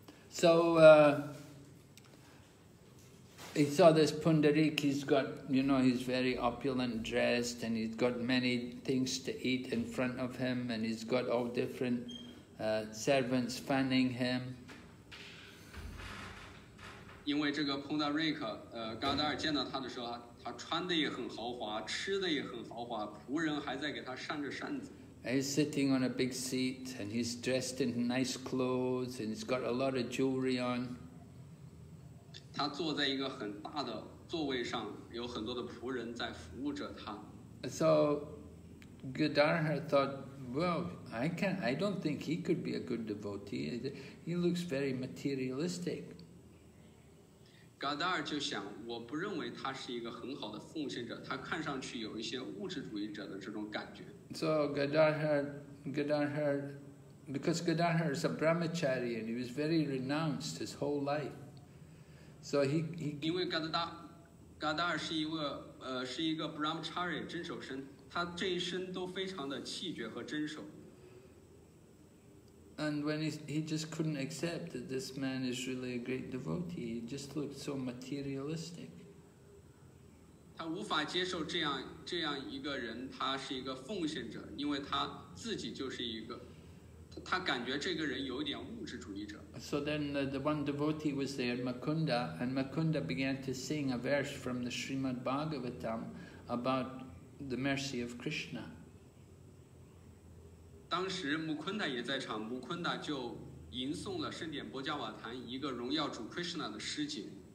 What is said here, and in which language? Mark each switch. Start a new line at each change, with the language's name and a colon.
English: So, he saw this Pundarik, he's got, you know, he's very opulent dressed and he's got many things to eat in front of him and he's got all different servants fanning him.
Chinese: 因为这个碰到瑞克，嘎达尔见到他的时候，他穿的也很豪华，吃的也很豪华，仆人还在给他扇着扇子。
English: He's sitting on a big seat, and he's dressed in nice clothes, and he's got a lot of jewelry on.
Chinese: 他坐在一个很大的座位上，有很多的仆人在服务着他。
English: So, Gadarhar thought, well, I don't think he could be a good devotee. He looks very materialistic.
Chinese: Gadarhar 就想，我不认为他是一个很好的奉献者，他看上去有一些物质主义者的这种感觉。
English: So Gadarhar, because Gadarhar is a brahmachari and he was very renounced his whole life. So he
Chinese: 因为嘎达尔是一位是一个 brahmachari 真守身，他这一生都非常的气绝和真守。
English: And when he just couldn't accept that this man is really a great devotee, he just looked so materialistic.
Chinese: 他无法接受这样一个人，他是一个奉献者，因为他自己就是一个。他感觉这个人有点物质主义者。
English: So then the one devotee was there, Mukunda, and Mukunda began to sing a verse from the Srimad Bhagavatam about the mercy of Krishna.
Chinese: 当时 Mukunda 也在场， Mukunda 就吟诵了圣典波迦瓦坛一个荣耀主 Krishna 的诗节。